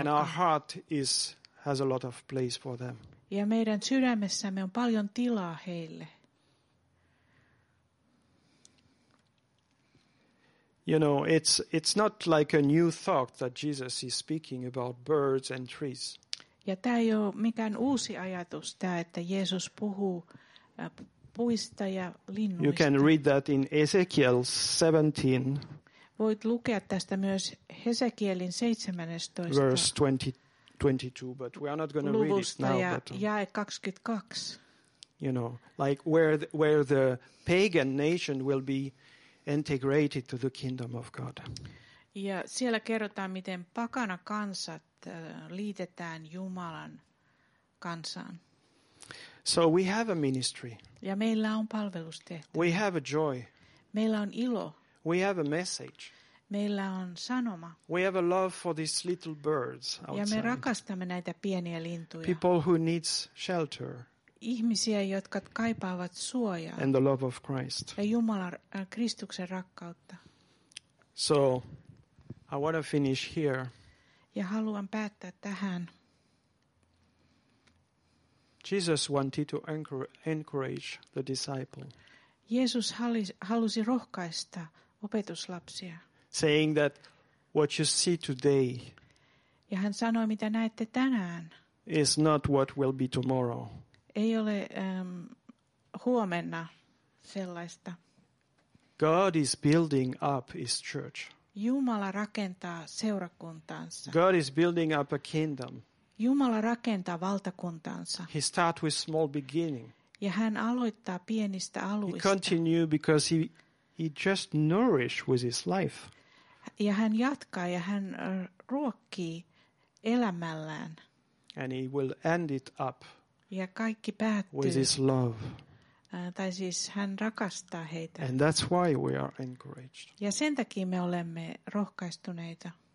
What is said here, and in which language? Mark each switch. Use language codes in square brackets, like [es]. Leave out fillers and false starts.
[en] And our heart has a lot of place for them. [fi] Ja meidän sydämessämme on paljon tilaa heille. [en] You know, it's not like a new thought that Jesus is speaking about birds and trees. [fi] Ja tämä ei ole mikään uusi ajatus, tämä, että Jeesus puhuu puista ja linnuista. [en] You can read that in Ezekiel 17. [fi] Voit lukea tästä myös Hesekielin 17. [en] Verse 22, but we are not going to read it now. [fi] Ja jae 22. [en] You know, like where the pagan nation will be integrated to the kingdom of God. [fi] Ja siellä kerrotaan, miten pakana kansat liitetään Jumalan kansaan. [en] So we have a ministry. [fi] Ja meillä on palvelustehtävä. [en] We have a joy. [fi] Meillä on ilo. [en] We have a message. [fi] Meillä on sanoma. [en] We have a love for these little birds outside. [fi] Ja me rakastamme näitä pieniä lintuja. [en] People who needs shelter. [fi] Ihmisiä, jotka kaipaavat suojaa. [en] And the love of Christ. [fi] Ja Jumalan Kristuksen rakkautta. [en] So I want to finish here. [fi] Ja haluan päättää tähän. [en] Jesus wanted to encourage the disciple. [fi] Jeesus halusi rohkaista opetuslapsia. [en] Saying that what you see today. [fi] Ja hän sanoi, mitä näette tänään. [en] Is not what will be tomorrow. [fi] Ei ole huomenna sellaista. [en] God is building up his church. [fi] Jumala rakentaa seurakuntaansa. [en] God is building up a kingdom. [fi] Jumala rakentaa valtakuntaansa. [en] He starts with small beginning. [fi] Ja hän aloittaa pienistä aluista. [en] He continue because he just nourish with his life. [fi] Ja hän jatkaa ja hän ruokkii elämällään. [en] And he will end it up. [fi] Ja kaikki päättyy. [en] With his love. [fi] Tai siis hän rakastaa heitä. [en] And that's why we are encouraged. [fi] Ja sen takia me olemme rohkaistuneita.